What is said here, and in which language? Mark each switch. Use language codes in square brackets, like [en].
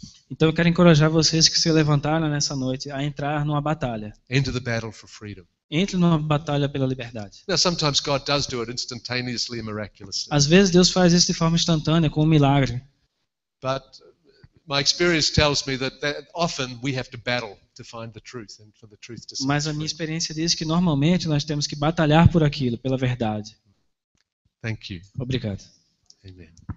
[pt] Então eu quero encorajar vocês que se levantaram nessa noite a entrar numa batalha. [en] Enter the battle for freedom. [pt] Entre numa batalha pela liberdade. [en] Now, sometimes God does do it instantaneously and miraculously. [pt] Às vezes Deus faz isso de forma instantânea, com um milagre. [en] But my experience tells me that often we have to battle to find the truth and for the truth to set. [pt] Mas a minha experiência diz que normalmente nós temos que batalhar por aquilo, pela verdade. [en] Thank you. [pt] Obrigado. Amen.